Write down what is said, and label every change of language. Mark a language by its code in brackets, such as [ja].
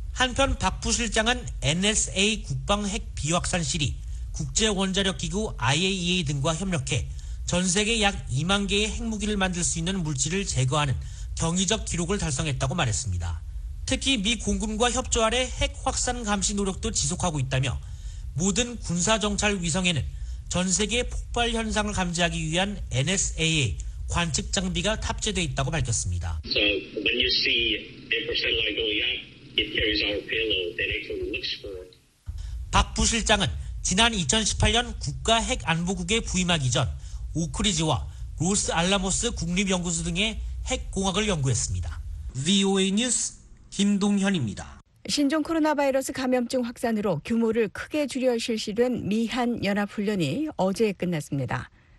[ko] 한편 박 부실장은 NSA 국방 핵 비확산실이 국제원자력기구 IAEA 등과 협력해 전 세계 약 2만 개의 핵무기를 만들 수 있는 물질을 제거하는 경이적 기록을 달성했다고 말했습니다. 특히 미 공군과 협조 아래 핵 확산 감시 노력도 지속하고 있다며 모든 군사정찰 위성에는 전 세계 폭발 현상을 감지하기 위한 NSA의 관측 장비가 탑재되어 있다고 밝혔습니다. [en] So when you see a satellite going up, it carries our payload that actually looks for. [ko] 박 부실장은 지난 2018년 국가핵안보국에 부임하기 전 오크리지와 로스 알라모스 국립연구소 등의 핵공학을 연구했습니다. VOA 뉴스 김동현입니다. 신종 코로나 바이러스 감염증 확산으로 규모를 크게 줄여 실시된 미한연합훈련이 어제 끝났습니다.